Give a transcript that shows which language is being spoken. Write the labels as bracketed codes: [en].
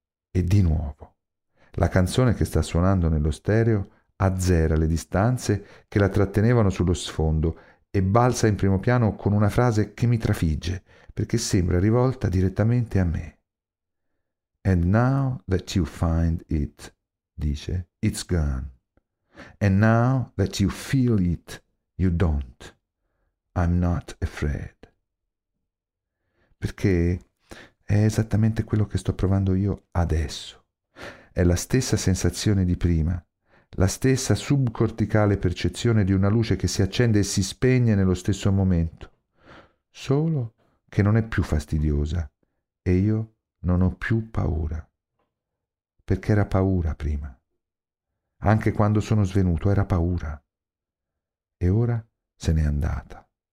[it] E di nuovo, la canzone che sta suonando nello stereo azzera le distanze che la trattenevano sullo sfondo e balza in primo piano con una frase che mi trafigge perché sembra rivolta direttamente a me. [en] "And now that you find it," [it] dice, [en] "it's gone. And now that you feel it, you don't. I'm not afraid." [it] Perché è esattamente quello che sto provando io adesso. È la stessa sensazione di prima. La stessa subcorticale percezione di una luce che si accende e si spegne nello stesso momento, solo che non è più fastidiosa e io non ho più paura, perché era paura prima, anche quando sono svenuto era paura e ora se n'è andata.